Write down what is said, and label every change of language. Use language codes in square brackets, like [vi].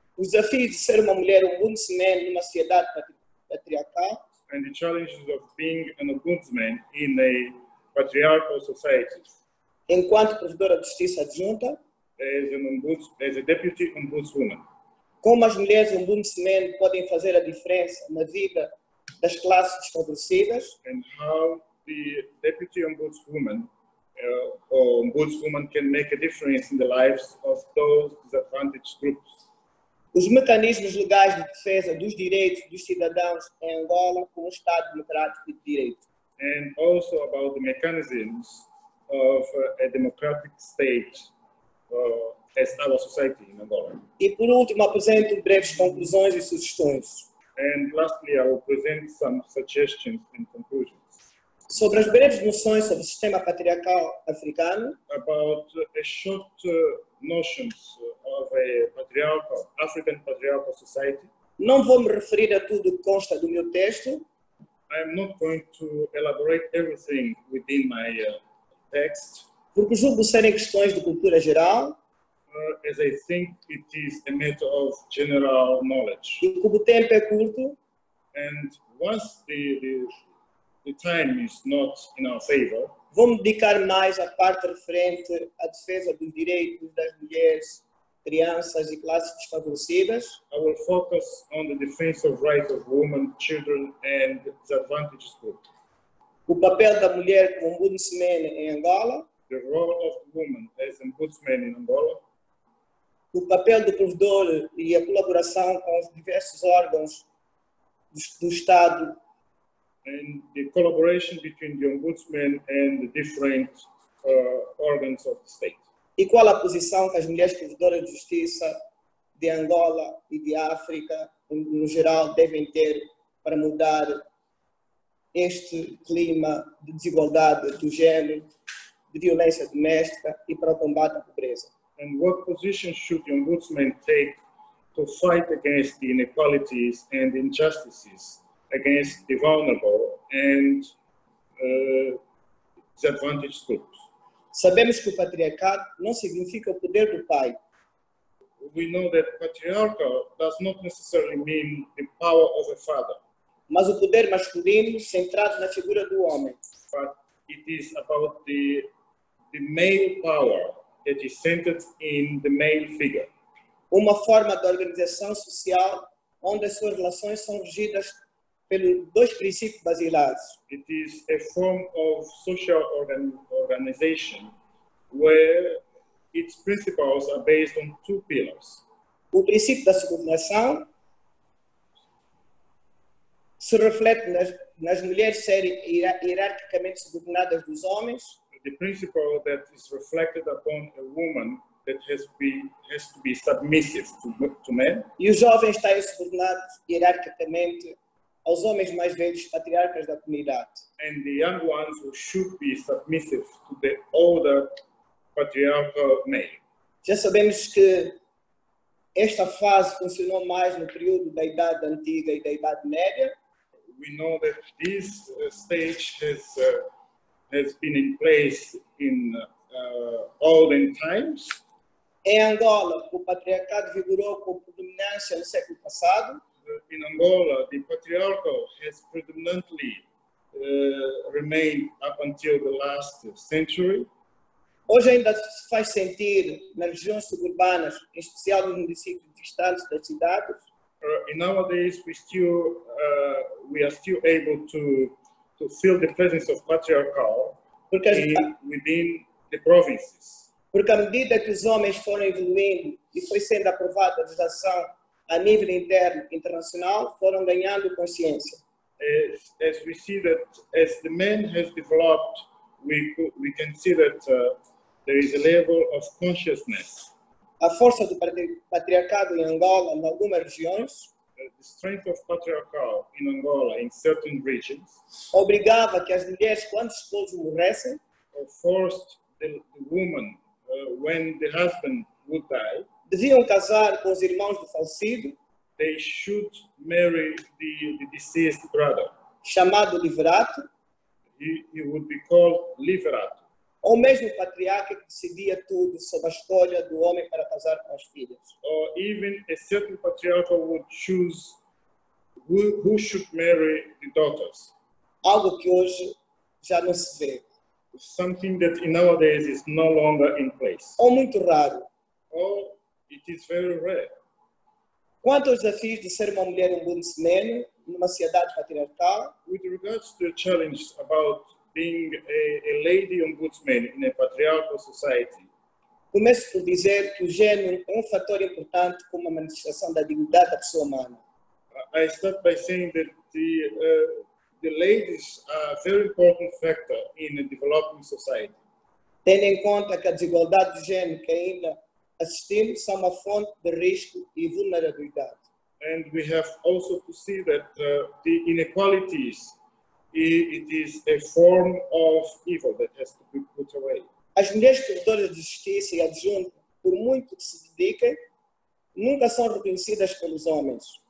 [pt] O desafio de ser uma mulher ombudsman numa sociedade patriarcal. [en] And the challenges of being an ombudsman in a patriarchal society. [pt] Enquanto provedora de justiça adjunta. [en] As a deputy ombudswoman. [pt] Como as mulheres ombudsman podem fazer a diferença na vida das classes desfavorecidas? [en] And how the deputy ombudswoman or ombudswoman can make a difference in the lives of those disadvantaged groups. [pt] Os mecanismos legais de defesa dos direitos dos cidadãos em Angola com o Estado Democrático de Direito. [en] And also about the mechanisms of a democratic state as our society in Angola. [pt] E por último, apresento breves conclusões e sugestões. [en] And lastly, I will present some suggestions and conclusions. [pt] Sobre as breves noções sobre o sistema patriarcal africano. [en] About a short notions of a patriarchal, African patriarchal society. [pt] Não vou me referir a tudo que consta do meu texto. [en] I am not going to elaborate everything within my text. [pt] Porque julgo serem questões de cultura geral. [en] As I think it is a matter of general knowledge. [pt] E como o tempo é curto. [en] And once the time is not in our favor. [pt] Vou me dedicar mais à parte referente à defesa dos direitos das mulheres, crianças e classes desfavorecidas. [en] I will focus on the defense of rights of women, children and disadvantaged groups. [pt] O papel da mulher como ombudsman em Angola. [en] The role of women as ombudsman in Angola. [pt] O papel do provedor e a colaboração com os diversos órgãos do Estado. [en] And the collaboration between the ombudsman and the different organs of the state. [pt] E qual a posição que as mulheres provedoras de justiça de Angola e de África, no geral, devem ter para mudar este clima de desigualdade do género, de violência doméstica e para o combate à pobreza? [en] And what position should the ombudsman take to fight against the inequalities and injustices against the vulnerable and disadvantaged groups? [pt] Sabemos que o patriarcado não significa o poder do pai. [en] We know that patriarchal does not necessarily mean the power of a father. [pt] Mas o poder masculino centrado na figura do homem. [en] But it is about the male power that is centered in the male figure. [pt] Uma forma de organização social onde as suas relações são regidas pelos dois princípios basilares. [en] It is a form of social organization where its principles are based on two pillars. [pt] O princípio da subordinação se reflete nas mulheres serem hierarquicamente subordinadas dos homens. [en] The principle that is reflected upon a woman that has to be submissive to men. [pt] E os jovens estarem subordinados hierarquicamente aos homens mais velhos, patriarcas da comunidade. [en] And the young ones who should be submissive to the older patriarchal male. [pt] Já sabemos que esta fase funcionou mais no período da Idade Antiga e da Idade Média. [en] We know that this stage has been in place in olden times. [pt] Em Angola, o patriarcado vigorou com predominância no século passado. [en] In Angola, the patriarchal has predominantly remained up until the last century. [pt] Hoje ainda se faz sentir nas regiões suburbanas, em especial nos municípios distantes das cidades. [en] Nowadays, we are still able to feel the presence of patriarchal within the provinces. [pt] Porque à medida que os homens foram evoluindo e foi sendo aprovada a legislação a nível interno internacional, foram ganhando consciência. [en] As we see that as the man has developed, we can see that there is a level of consciousness. [pt] A força do patriarcado em Angola, em algumas regiões, [en] the strength of patriarchal in Angola in certain regions, [pt] obrigava que as mulheres, quando os esposos morressem, [en] forced the woman when the husband would die, [pt] deviam casar com os irmãos do falecido, [en] they should marry the deceased brother, [pt] chamado liberato, [en] he would be called liberato, [pt] ou mesmo o patriarca que decidia tudo sob a escolha do homem para casar com as filhas, [en] or even a certain patriarca would choose who should marry the daughters, [pt] algo que hoje já não se vê, [en] something that nowadays is no longer in place, [pt] ou muito raro, [en] or it is very rare. [pt] Quanto aos desafios de ser uma mulher ombudsman numa sociedade patriarcal? [en] With regards to the challenge about being a lady ombudsman in a patriarchal society. [pt] Começo por dizer que o gênero é fator importante como a manifestação da dignidade da pessoa humana. [en] I start by saying that the ladies are a very important factor in a developing society. [pt] Tendo em conta que a desigualdade de gênero que ainda assistimos são uma fonte de risco e vulnerabilidade. [en] And we have also to see that the inequalities, it is a form of evil that has to be put away. [pt] As mulheres corretoras de justiça e adjuntas, por muito que se dediquem, nunca são reconhecidas pelos homens.